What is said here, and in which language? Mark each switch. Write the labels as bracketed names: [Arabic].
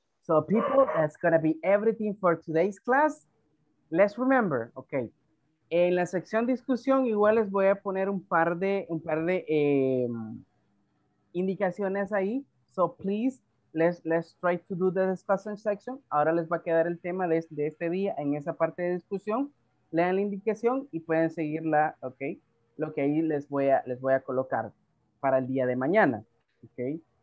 [English] So people, that's gonna be everything for today's class. [Spanish] Let's remember, okay, en la sección discusión igual les voy a poner un par de indicaciones ahí. [English] So please, Let's try to do the discussion section. [Spanish] Ahora les va a quedar el tema de este día en esa parte de discusión. Lean la indicación y pueden seguirla, ¿ok? Lo que ahí les voy a colocar para el día de mañana, ¿ok?